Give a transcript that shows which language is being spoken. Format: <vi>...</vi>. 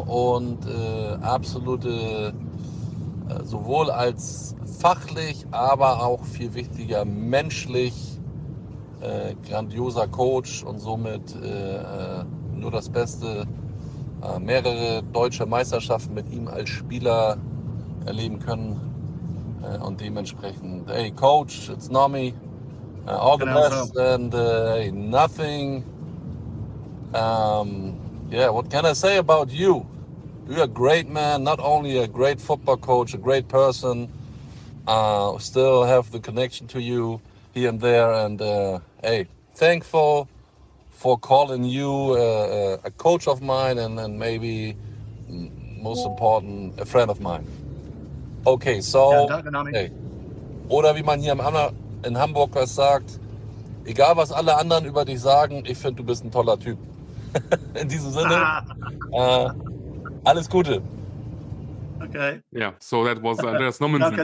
<de>Und absolute, sowohl als fachlich, aber auch viel wichtiger menschlich, grandioser Coach und somit nur das Beste. Mehrere deutsche Meisterschaften mit ihm als Spieler erleben können. Und dementsprechend,</de> <en>hey Coach, it's Nomi, all the best, and hey, nothing, yeah, what can I say about you? You're a great man, not only a great football coach, a great person, still have the connection to you here and there, and hey, thankful for calling you a coach of mine, and maybe, most important, a friend of mine. Okay, so, hey.</en> <de>Oder wie man hier in Hamburg was sagt, egal was alle anderen über dich sagen, ich finde, du bist ein toller Typ. In diesem Sinne, alles Gute. Okay.</de> <en>Yeah, so that was Andreas Nommensen.</en>